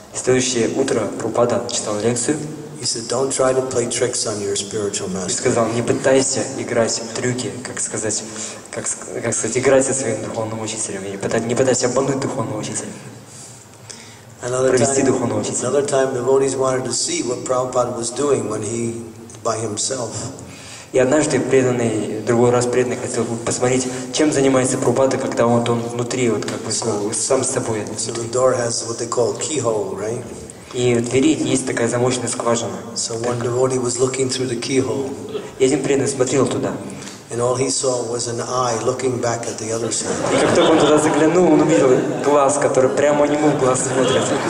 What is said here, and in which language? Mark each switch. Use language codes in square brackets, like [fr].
[ru] Следующее утро Прабхупада читал лекцию. [en] He said, "Don't try to play tricks on your spiritual master." [ru] И сказал, не пытайся играть в трюки, как сказать, играть со своим духовным учителем. Не пытайся обмануть духовного учителя. [en] Another time, devotees wanted to see what Prabhupada was doing when he by himself. [ru] И однажды преданный, другой раз преданный хотел посмотреть, чем занимается Прабхупада, когда вот он внутри, вот как бы сам с собой. [en] So the door has what they call keyhole, right? [ru] И в двери есть такая замочная скважина. [en] So one devotee was looking through the keyhole. [ru] И один преданный смотрел туда. [en] And all he saw was an eye looking back at the other side. [ru] И как только он туда заглянул, он увидел глаз, который прямо на него глаз смотрит.